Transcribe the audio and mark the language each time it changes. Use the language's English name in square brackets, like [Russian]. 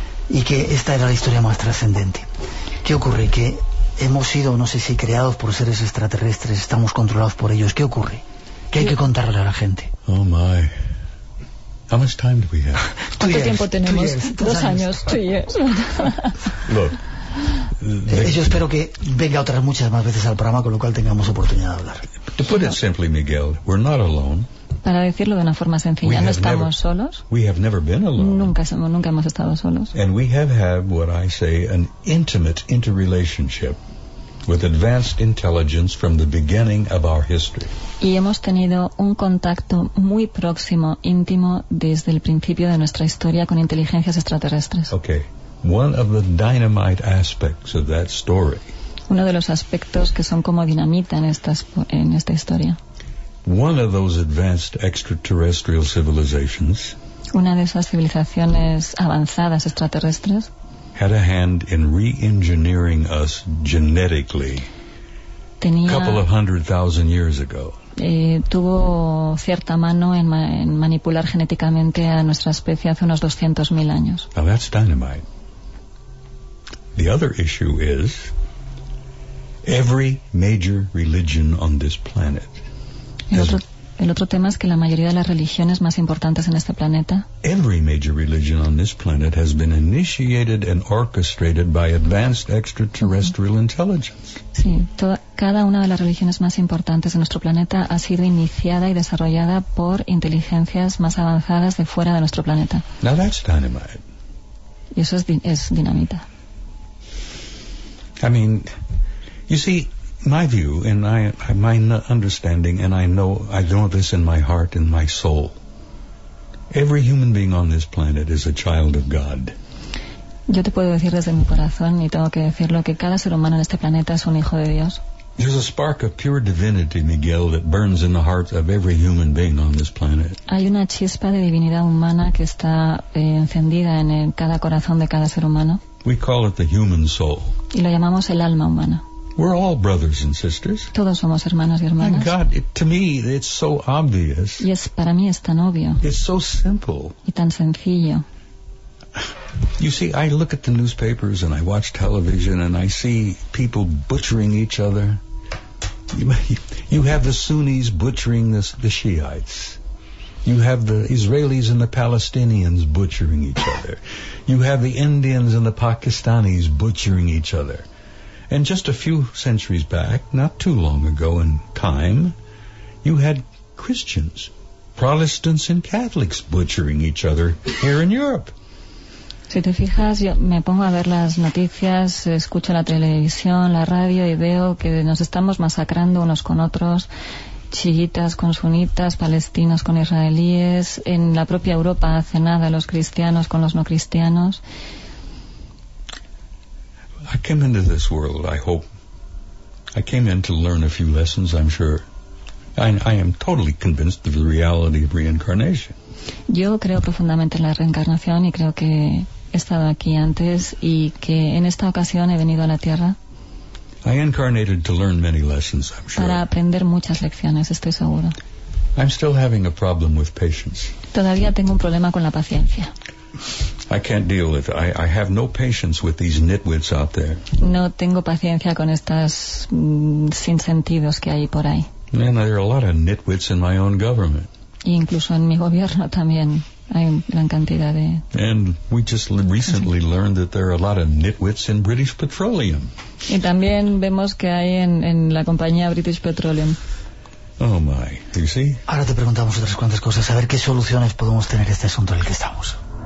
[Spanish] Y que esta era la historia más trascendente. ¿Qué ocurre? Que hemos sido, no sé si creados por seres extraterrestres, estamos controlados por ellos. ¿Qué ocurre? ¿Qué hay que contarle a la gente? [English] Oh, my... How much time do we have? [Spanish] ¿Cuánto tiempo tenemos? Dos años. [English] Look. [Spanish] Yo espero que venga otras muchas más veces al programa, con lo cual tengamos oportunidad de hablar. [English] To put it simply, Miguel, we're not alone. [Spanish] Para decirlo de una forma sencilla, no estamos solos. [English] We have never been alone. [Spanish] Nunca hemos estado solos. [English] And we have had what I say an intimate interrelationship with advanced intelligence from the beginning of our history. [Spanish] Y hemos tenido un contacto muy próximo, íntimo, desde el principio de nuestra historia con inteligencias extraterrestres. [English] Okay. One of the dynamite aspects of that story. [Spanish] Uno de los aspectos que son como dinamita en esta historia. [English] One of those advanced extraterrestrial civilizations. [Spanish] Una de esas civilizaciones avanzadas extraterrestres. [English] Had a hand in re-engineering us genetically. [Spanish] Tenía [English] a couple of 100,000 years ago. [Spanish] tuvo cierta mano en, en manipular genéticamente a nuestra especie hace unos 200.000 años. [English] Now that's dynamite. The other issue is every major religion on this planet. [Spanish] El otro tema es que la mayoría de las religiones más importantes en este planeta. [English] Every major religion on this planet has been initiated and orchestrated by advanced extraterrestrial intelligence. [Spanish] Sí, cada una de las religiones más importantes de nuestro planeta ha sido iniciada y desarrollada por inteligencias más avanzadas de fuera de nuestro planeta. [English] Now that's dynamite. [Spanish] Y eso es dinamita. [English] I mean, you see, my view, and my understanding, and I know this in my heart, in my soul. Every human being on this planet is a child of God. [Spanish] Yo te puedo decir desde mi corazón, y tengo que decirlo, que cada ser humano en este planeta es un hijo de Dios. [English] There's a spark of pure divinity, Miguel, that burns in the heart of every human being on this planet. [Spanish] Hay una chispa de divinidad humana que está encendida en cada corazón de cada ser humano. [English] We call it the human soul. [Spanish] Y lo llamamos el alma humana. [English] We're all brothers and sisters. [Spanish] Todos somos hermanos y hermanas. [English] And God, to me, it's so obvious. [Spanish] Y para mí es tan obvio. [English] It's so simple. [Spanish] Y tan sencillo. [English] You see, I look at the newspapers and I watch television and I see people butchering each other. You have the Sunnis butchering the Shiites. You have the Israelis and the Palestinians butchering each other. You have the Indians and the Pakistanis butchering each other. And just a few centuries back, not too long ago in time, you had Christians, Protestants and Catholics butchering each other here in Europe. [Spanish] Si te fijas, yo me pongo a ver las noticias, escucho la televisión, la radio y veo que nos estamos masacrando unos con otros. Chiitas con sunitas, palestinos con israelíes, en la propia Europa hace nada los cristianos con los no cristianos. [English] I came into this world, I hope. I came in to learn a few lessons, I'm sure. I am totally convinced of the reality of reincarnation. [Spanish] Yo creo profundamente en la reencarnación y creo que he estado aquí antes y que en esta ocasión he venido a la Tierra. [English] I incarnated to learn many lessons, I'm sure. [Spanish] Para aprender muchas lecciones, estoy seguro. [English] I'm still having a problem with patience. [Spanish] Todavía tengo un problema con la paciencia. [English] I can't deal with it. I have no patience with these nitwits out there. [Spanish] No tengo paciencia con estas sinsentidos que hay por ahí. [English] And there are a lot of nitwits in my own government. [Spanish] Y incluso en mi gobierno también hay gran cantidad de... [English] And we just recently learned that there are a lot of nitwits in British Petroleum. [Spanish] Y también vemos que hay en la compañía British Petroleum. [English] Oh my, you see? [Spanish] Ahora te preguntamos otras cuantas cosas, a ver qué soluciones podemos tener este asunto en el que estamos.